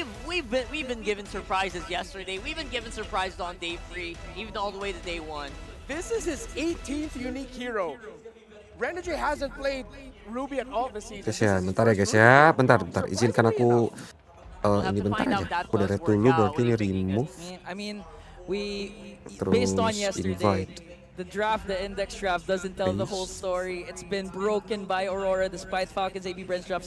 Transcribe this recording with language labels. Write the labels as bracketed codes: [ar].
[en] We've been given surprises yesterday. We've been given surprises on day 3 even all the way to day 1. This is his 18th unique hero. Renegade hasn't played Ruby at all this season. [id] Guys ya, bentar ya guys ya. Bentar. Izinkan aku ini bentar aja. Aku dari dulu berarti ini remove. [en] I mean, we based on yesterday the draft, the index draft doesn't tell the whole story. It's been broken by Aurora despite Falcon's AB branch draft.